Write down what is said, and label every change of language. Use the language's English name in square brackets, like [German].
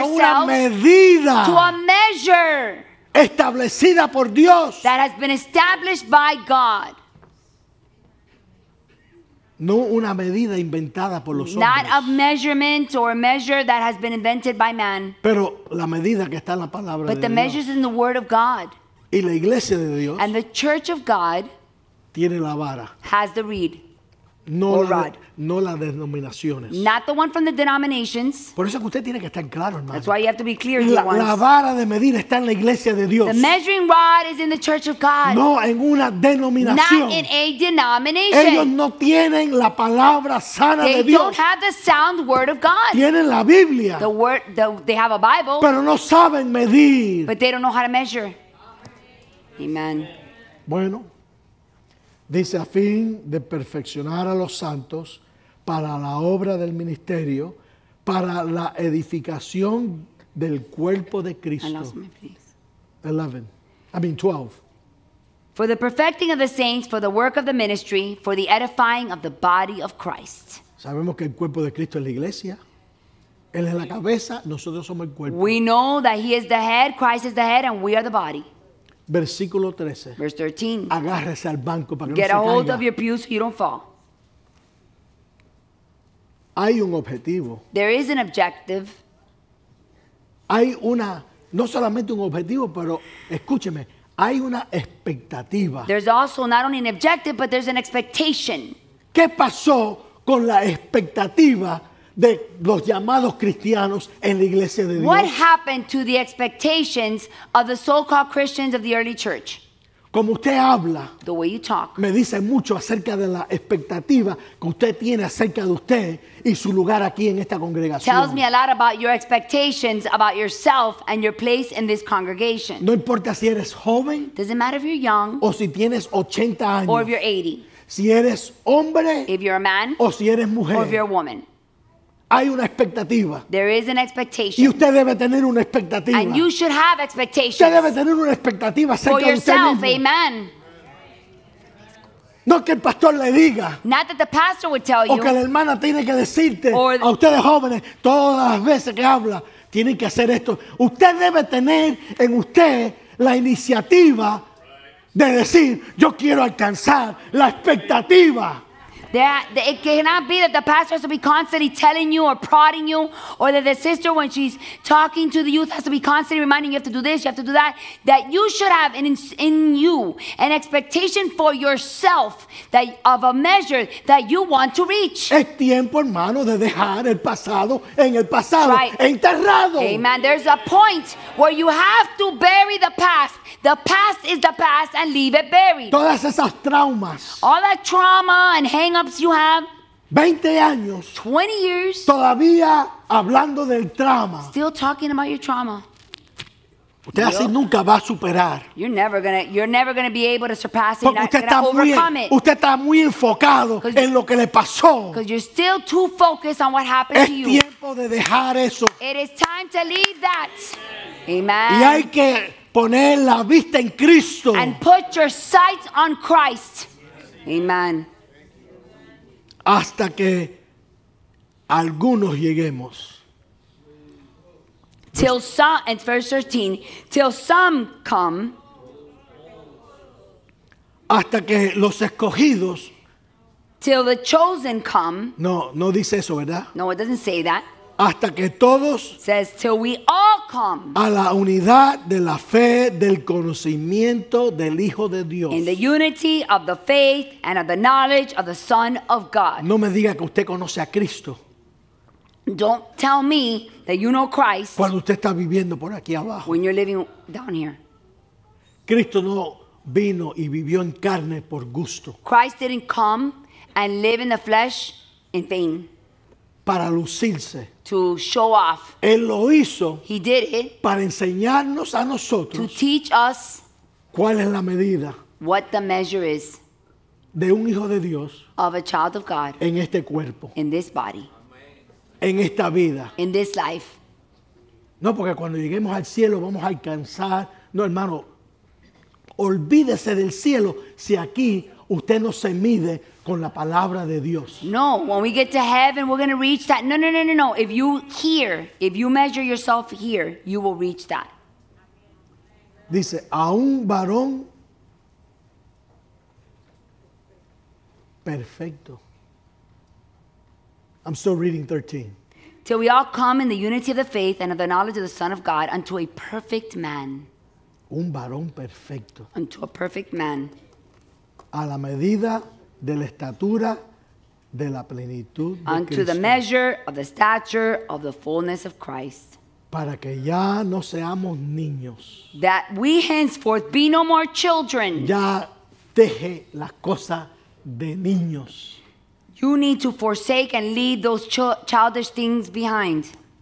[English] ourselves [Spanish] una medida. [English] To a measure. [Spanish] Establecida por Dios. [English] That has been established by God. [Spanish] No una medida inventada por los [English] Not [Spanish] hombres. [English] Not a measurement or a measure that has been invented by man. [Spanish] Pero la medida que está en la palabra [English] But [Spanish] de Dios. [English] Measures in the word of God. [Spanish] Y la iglesia de Dios. [English] And the church of God. [Spanish] Tiene la vara. [English] Has the reed. [Spanish] No [English] or [Spanish] la [English] rod. [Spanish] No las denominaciones. [English] Not the one from the denominations. [Spanish] Por eso es que usted tiene que estar claro, hermano. [English] That's why you have to be clear, la, dear ones. [Spanish] La vara de medir está en la iglesia de Dios. [English] The measuring rod is in the church of God. [Spanish] No en una denominación. [English] Not in a denomination. [Spanish] Ellos no tienen la palabra sana [English] they [Spanish] de Dios. [English] They don't have the sound word of God. [Spanish] Tienen la Biblia. [English] The word, they have a Bible. [Spanish] Pero no saben medir. [English] But they don't know how to measure. Amen. [Spanish] Bueno. Dice, a fin de perfeccionar a los santos para la obra del ministerio, para la edificación del cuerpo de Cristo. [English] For the perfecting of the saints, for the work of the ministry, for the edifying of the body of Christ. [Spanish] Sabemos que el cuerpo de Cristo es la iglesia. Él es la cabeza, nosotros somos el cuerpo. [English] We know that he is the head, Christ is the head, and we are the body. [Spanish] Versículo 13. [English] Verse 13. [Spanish] Agárrese al banco para que [English] Get [Spanish] no se caiga. [English] Get a hold of your pew so you don't fall. [Spanish] Hay un objetivo. [English] There is an objective. [Spanish] Hay una, no solamente un objetivo, pero escúcheme, hay una expectativa. [English] There's also not only an objective, but there's an expectation. [Spanish] ¿Qué pasó con la expectativa de los llamados cristianos en la iglesia de Dios? [English] What happened to the expectations of the so-called Christians of the early church? [Spanish] Como usted habla, [English] the way you talk, [Spanish] me dice mucho acerca de la expectativa que usted tiene acerca de usted y su lugar aquí en esta congregación. [English] Tells me a lot about your expectations about yourself and your place in this congregation. [Spanish] No importa si eres joven, [English] does it matter if you're young, [Spanish] o si tienes 80 años, [English] or if you're 80, [Spanish] si eres hombre, [English] if you're a man, [Spanish] o si eres mujer, [English] or if you're a woman. [Spanish] Hay una expectativa. [English] There is an expectation. [Spanish] Y usted debe tener una expectativa. [English] And you should have expectations. [Spanish] Usted debe tener una expectativa acerca de usted mismo. [English] For yourself, amen. [Spanish] No que el pastor le diga. [English] Not that the pastor would tell you. [Spanish] O que la hermana tiene que decirte. A ustedes jóvenes, todas las veces que habla, tienen que hacer esto. Usted debe tener en usted la iniciativa de decir, yo quiero alcanzar la expectativa. [English] It cannot be that the pastor has to be constantly telling you or prodding you, or that the sister, when she's talking to the youth, has to be constantly reminding you, you have to do this, you have to do that. That you should have in you an expectation for yourself that of a measure that you want to reach. [Spanish] Es tiempo, hermano, de dejar el pasado en el pasado. [English] Right. [Spanish] Enterrado. [English] Amen. There's a point where you have to bury the past. The past is the past and leave it buried. [Spanish] Todas esas traumas. [English] All that trauma and hang ups you have [Spanish] 20 años [English] 20 years [Spanish] todavía hablando del trauma [English] still talking about your trauma [Spanish] usted así nunca va a superar [English] you're never gonna be able to surpass it [Spanish] porque usted está muy enfocado en lo que le pasó [English] because you're still too focused on what happened to you [Spanish] es tiempo de dejar eso [English] it is time to leave that amen [Spanish] y hay que poner la vista en Cristo [English] and put your sight on Christ amen [Spanish] hasta que algunos lleguemos [English] till some, and verse 13, till some come. [Spanish] Hasta que los escogidos. [English] Till the chosen come. [Spanish] No, no dice eso, ¿verdad? [English] No, it doesn't say that. [Spanish] Hasta que todos. [English] Says till we all come. [Spanish] A la unidad de la fe, del conocimiento del Hijo de Dios. [English] In the unity of the faith and of the knowledge of the Son of God. [Spanish] No me diga que usted conoce a Cristo. [English] Don't tell me that you know Christ. [Spanish] Cuando usted está viviendo por aquí abajo. [English] When you're living down here. [Spanish] Cristo no vino y vivió en carne por gusto. [English] Christ didn't come and live in the flesh in vain. [Spanish] Para lucirse. [English] To show off. [Spanish] Él lo hizo. [English] He did it. [Spanish] Para enseñarnos a nosotros. [English] To teach us. [Spanish] ¿Cuál es la medida? [English] What the measure is. [Spanish] De un hijo de Dios. [English] Of a child of God. [Spanish] En este cuerpo. [English] In this body. [Spanish] En esta vida. [English] In this life. [Spanish] No, porque cuando lleguemos al cielo vamos a alcanzar. No, hermano. Olvídese del cielo si aquí usted no se mide con la palabra de Dios. [English] No, when we get to heaven, we're going to reach that. No, no, no, no, no. If you here, if you measure yourself here, you will reach that. [Spanish] Dice, a un varón perfecto. [English] I'm still reading 13. Till we all come in the unity of the faith and of the knowledge of the Son of God unto a perfect man. [Spanish] Un varón perfecto. [English] Unto a perfect man. [Spanish] A la medida de la estatura de la plenitud de [English] unto [Spanish] Cristo. [English] The measure of the stature of the fullness of Christ. [Spanish] Para que ya no seamos niños. [English] That we henceforth be no more children. [Spanish] Ya deje las cosas de niños. [English] You need to forsake and leave those childish things behind.